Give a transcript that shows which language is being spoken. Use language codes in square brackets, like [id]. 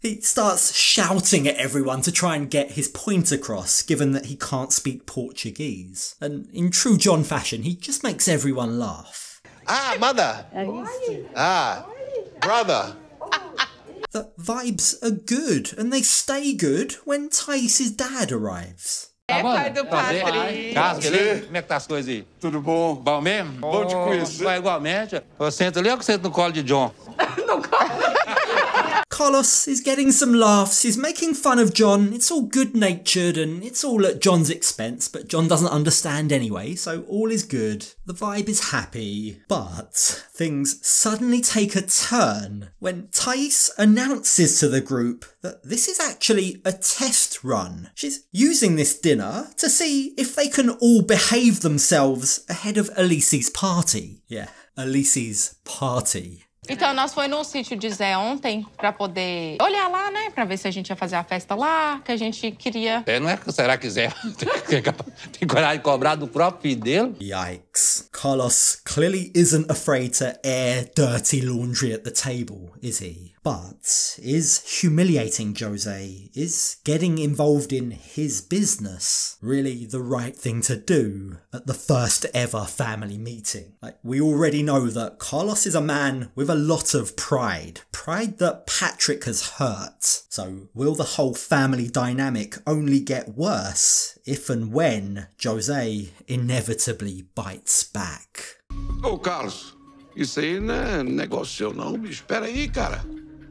[en] He starts shouting at everyone to try and get his point across, given that he can't speak Portuguese. And in true John fashion, he just makes everyone laugh. Ah, mother! Ah, brother! The vibes are good, and they stay good when Thais' dad arrives. [pt] É, pai do padre. Jasmine, como é que tá as coisas aí? Tudo bom. Bom mesmo? Oh. Bom te conhecer. Vai igualmente. Eu sento ali, eu sento no colo de John. No colo? [en] Carlos is getting some laughs, he's making fun of John, it's all good-natured and it's all at John's expense, but John doesn't understand anyway, so all is good. The vibe is happy, but things suddenly take a turn when Thais announces to the group that this is actually a test run. She's using this dinner to see if they can all behave themselves ahead of Elise's party. Yeah, Elise's party. [pt] Então, nós fomos no sítio de Zé ontem pra poder olhar lá, né? Pra ver se a gente ia fazer a festa lá, que a gente queria. É, não é que será que Zé tem coragem de cobrar do próprio filho dele? [en] Yikes. Carlos clearly isn't afraid to air dirty laundry at the table, is he? But is humiliating José, is getting involved in his business, really the right thing to do at the first ever family meeting? Like, we already know that Carlos is a man with a lot of pride. Pride that Patrick has hurt. So will the whole family dynamic only get worse if and when José inevitably bites back? [pt] Oh, Carlos, isso aí não é negócio seu não, bicho. Pera aí, cara.